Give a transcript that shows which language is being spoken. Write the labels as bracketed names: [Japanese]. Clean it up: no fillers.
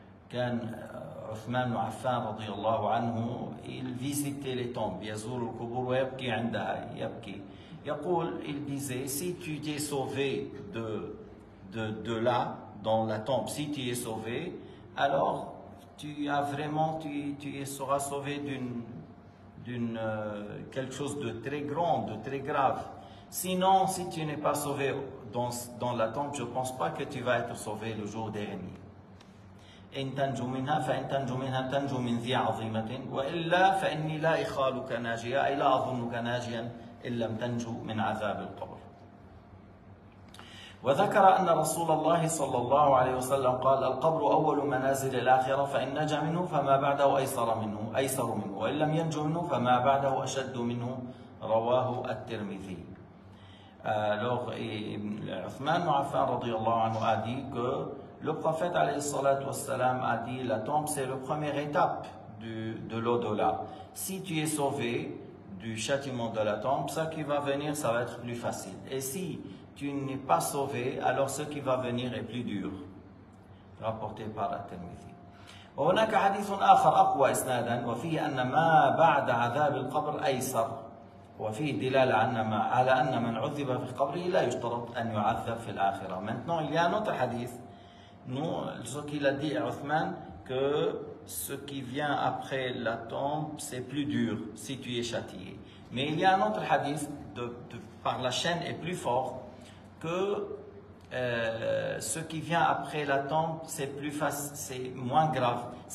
[Arabic] كان عثمان بن عفان رضي الله عنه يزيت التومب يزور القبور ويبكي عندها يبكي يقول [French] il disait si tu t'es sauvé de là dans la tombe, si tu es sauvé, alors tu as vraiment tu seras sauvé d'une quelque chose de très grand, de très grave. Sinon, si tu n'es pas sauvé dans la tombe, je ne pense pas que tu vas être sauvé le jour dernier. [Arabic] إن تنجو منها فإن تنجو منها تنجو من ذي عظيمة وإلا فإني لا إخالك ناجيا أي لا أظنك ناجيا إن لم تنجو من عذاب القبر. وذكر أن رسول الله صلى الله عليه وسلم قال: القبر أول منازل الآخرة، فإن نجا منه فما بعده أيسر منه، وإن لم ينجو منه فما بعده أشد منه. رواه الترمذي. [French] Alors, Othman Mu'affan radiyallahu anhu a dit que le prophète alayhi salatu wassalam a dit: la tombe c'est la première étape de l'au-delà. Si tu es sauvé du châtiment de la tombe, ce qui va venir ça va être plus facile. Et si tu n'es pas sauvé, alors ce qui va venir est plus dur. Rapporté par At-Tirmidhi. [Arabic] وهناك حديث آخر أقوى إسنادا وفيه أن ما بعد عذاب القبر أيسر. وفيه دلالة على أن من عذب في قبره لا يشترط أن يعذب في الآخرة. [French] Maintenant, il y a un autre hadith. Nous, ce qu'il a dit à Othman, que ce qui vient après la tombe, c'est plus dur si tu es châtié. Mais il y a un autre hadith, par la chaîne est plus fort, que ce qui vient après la tombe, c'est plus facile, c'est moins grave.